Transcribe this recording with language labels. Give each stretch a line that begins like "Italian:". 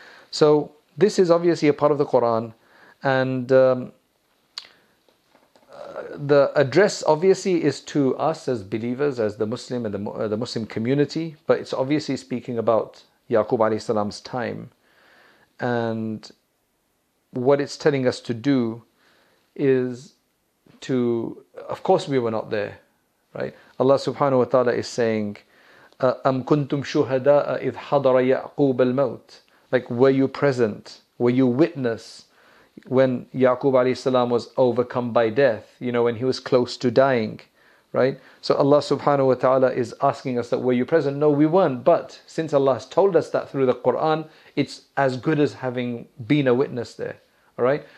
English: So this is obviously a part of the Quran, and the address obviously is to us as believers, as the Muslim and the Muslim community, but it's obviously speaking about Ya'qub alayhi salam's time. And what it's telling us to do is to, of course we were not there, right?
Arabic: Allah subhanahu wa ta'ala is saying, أَمْ كُنْتُمْ شُهَدَاءَ إِذْ حَضَرَ يَعْقُوبَ الْمَوْتِ.
English: Like, were you present? Were you witness when Ya'qub alayhi salam was overcome by death? You know, when he was close to dying, right? So Allah subhanahu wa ta'ala is asking us that, were you present? No, we weren't. But since Allah has told us that through the Quran, it's as good as having been a witness there, all right?